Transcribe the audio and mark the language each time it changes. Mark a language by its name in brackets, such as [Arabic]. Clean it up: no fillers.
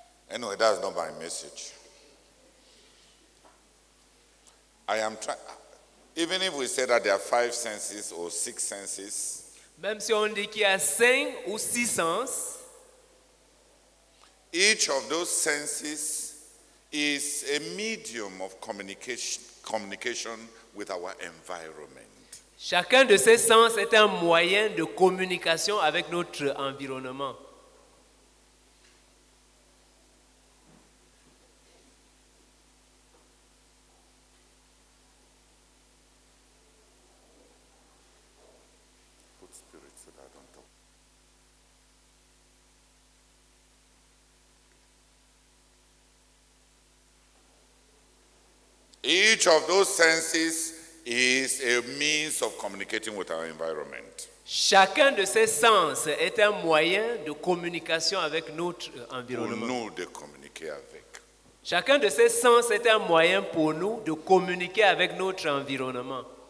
[English] Anyway, that's not my message. I am trying. Even if we say that there are five senses or six senses, [French] même si on dit qu'il y a cinq ou six sens, [English] each of those senses is a medium of communication with our environment. [French] Chacun de ces sens est un moyen de communication avec notre environnement. [English] Each of those senses is a means of communicating with our environment. [French] Chacun de ces sens est un moyen de communication avec notre environnement. Pour nous de communiquer avec. Chacun de ces sens est un moyen pour nous de communiquer avec notre environnement.